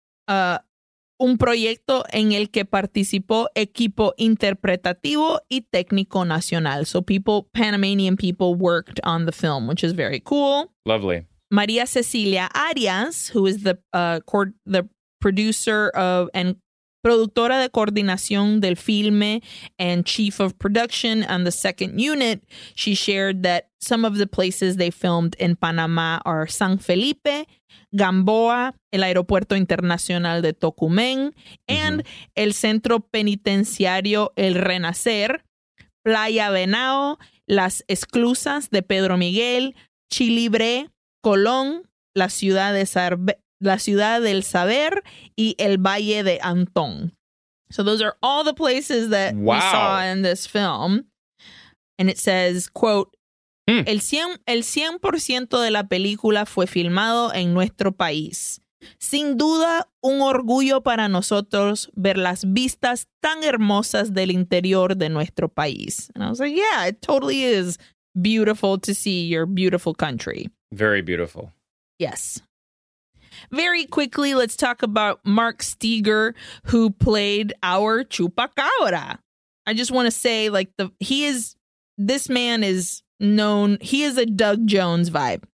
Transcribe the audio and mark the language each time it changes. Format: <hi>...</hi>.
<es>Un proyecto en el que participó equipo interpretativo y técnico nacional.</es> <en>So Panamanian people worked on the film, which is very cool. Lovely. María Cecilia Arias, who is the producer of and</en> <es>productora de coordinación del filme</es> <en>and chief of production on the second unit, she shared that some of the places they filmed in Panama are San Felipe, Gamboa, el Aeropuerto Internacional de Tocumen, and el Centro Penitenciario El Renacer,</en> <es>Playa Venao, Las Esclusas de Pedro Miguel, Chilibre, Colón, la ciudad de la ciudad del saber y el Valle de Antón.</es> <en>So those are all the places that we saw in this film. And it says, quote,</en> <es>el 100% de la película fue filmado en nuestro país. Sin duda, un orgullo para nosotros ver las vistas tan hermosas del interior de nuestro país.</es> <en>And I was like, yeah, it totally is beautiful to see your beautiful country. Very beautiful. Yes. Very quickly, let's talk about Mark Steger, who played our Chupacabra. I just want to say, like, this man is known, he is a Doug Jones vibe.</en>